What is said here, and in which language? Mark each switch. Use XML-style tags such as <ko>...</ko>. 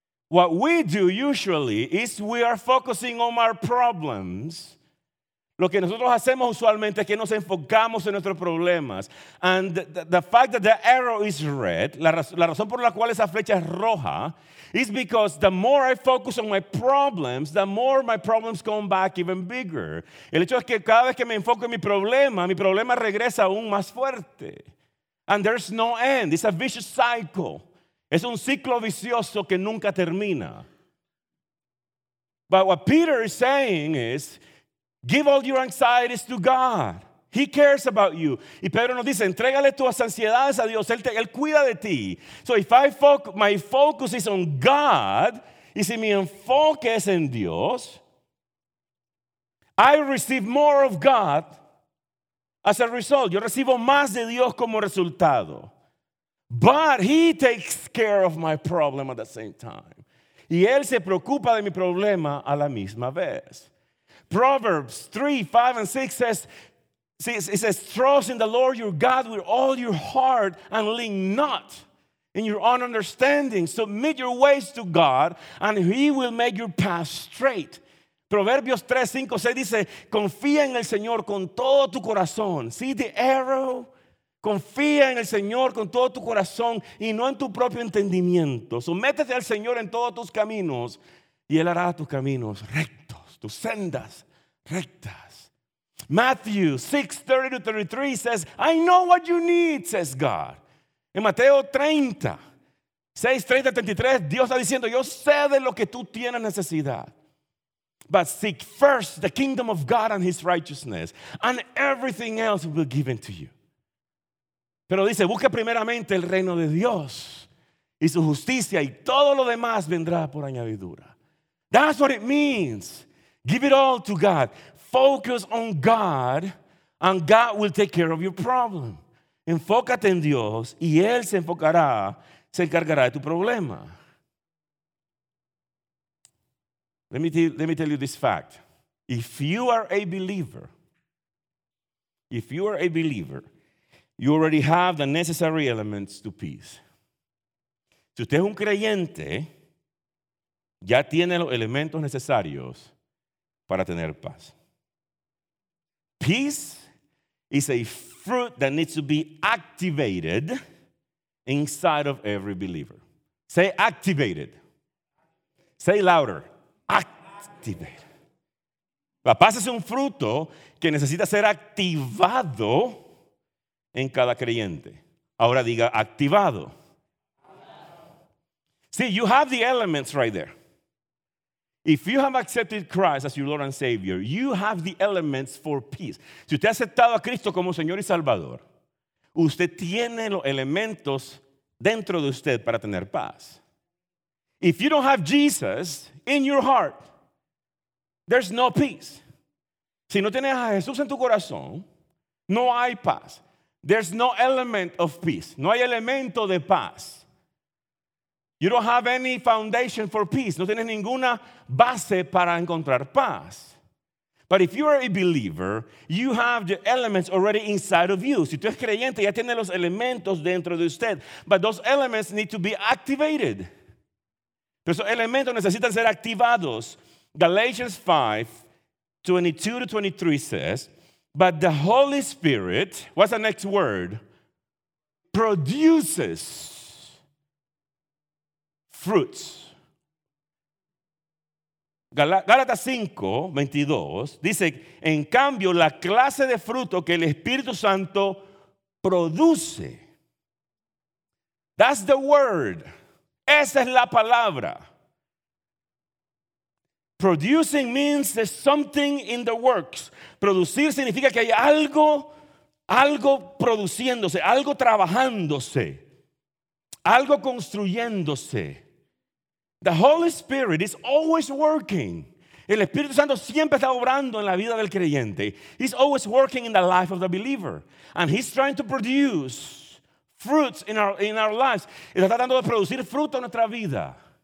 <en>What we do usually is we are focusing on our problems.</en> <es>Lo que nosotros hacemos usualmente es que nos enfocamos en nuestros problemas.</es> <en>And the fact that the arrow is red,</en> <es>la razón por la cual esa flecha es roja,</es> <en>is because the more I focus on my problems, the more my problems come back even bigger.</en> <es>El hecho es que cada vez que me enfoco en mi problema regresa aún más fuerte.</es> <en>And there's no end. It's a vicious cycle.</en> <es>Es un ciclo vicioso que nunca termina.</es> <en>But what Peter is saying is, give all your anxieties to God. He cares about you.</en> <es>Y Pedro nos dice, entrégale tus ansiedades a Dios. Él cuida de ti.</es> <en>So if my focus is on God,</en> <es>y si mi enfoque es en Dios,</es> <en>I receive more of God as a result.</en> <es>Yo recibo más de Dios como resultado.</es> <en>But he takes care of my problem at the same time.</en> <es>Y él se preocupa de mi problema a la misma vez.</es> <en>Proverbs 3, 5, and 6 says, it says, trust in the Lord your God with all your heart and lean not in your own understanding. Submit your ways to God and he will make your path straight.</en> <es>Proverbios 3, 5, 6 dice, confía en el Señor con todo tu corazón.</es> <en>See the arrow?</en> <es>Confía en el Señor con todo tu corazón y no en tu propio entendimiento. Sométete al Señor en todos tus caminos y Él hará tus caminos rectos, tus sendas rectas.</es> <en>Matthew 6, 30 to 33 says, I know what you need, says God.</en> <es>En Mateo 30, 6, 30</es> <en>to</en> <es>33, Dios está diciendo, yo sé de lo que tú tienes necesidad.</es> <en>But seek first the kingdom of God and his righteousness, and everything else will be given to you.</en> <es>Pero dice, busca primeramente el reino de Dios y su justicia y todo lo demás vendrá por añadidura.</es> <en>That's what it means. Give it all to God. Focus on God and God will take care of your problem.</en> <es>Enfócate en Dios y Él se encargará de tu problema.</es> <en>Let me tell you this fact. If you are a believer, you already have the necessary elements to peace.</en> <es>Si usted es un creyente, ya tiene los elementos necesarios para tener paz.</es> <en>Peace is a fruit that needs to be activated inside of every believer. Say activated. Say louder. Activated.</en> <es>La paz es un fruto que necesita ser activado en cada creyente. Ahora diga activado.</es> <en>See, you have the elements right there. If you have accepted Christ as your Lord and Savior, you have the elements for peace.</en> <es>Si usted ha aceptado a Cristo como Señor y Salvador, usted tiene los elementos dentro de usted para tener paz.</es> <en>If you don't have Jesus in your heart, there's no peace.</en> <es>Si no tienes a Jesús en tu corazón, no hay paz.</es> <en>There's no element of peace.</en> <es>No hay elemento de paz.</es> <en>You don't have any foundation for peace.</en> <es>No tienes ninguna base para encontrar paz.</es> <en>But if you are a believer, you have the elements already inside of you.</en> <es>Si tú eres creyente, ya tienes los elementos dentro de usted.</es> <en>But those elements need to be activated.</en> <es>Pero esos elementos necesitan ser activados.</es> <en>Galatians 5:22-23 says, but the Holy Spirit, what's the next word? Produces fruits.</en> <es>Gálatas 5:22 dice, en cambio, la clase de fruto que el Espíritu Santo produce.</es> <en>That's the word.</en> <es>Esa es la palabra.</es> <en>Producing means there's something in the works.</en> <es>Producir significa que hay algo produciéndose, algo trabajándose, algo construyéndose.</es> <en>The Holy Spirit is always working.</en> <es>El Espíritu Santo siempre está obrando en la vida del creyente.</es> <en>He's always working in the life of the believer. And he's trying to produce fruits in our lives.</en> <es>Está tratando de producir fruto en nuestra vida.</es>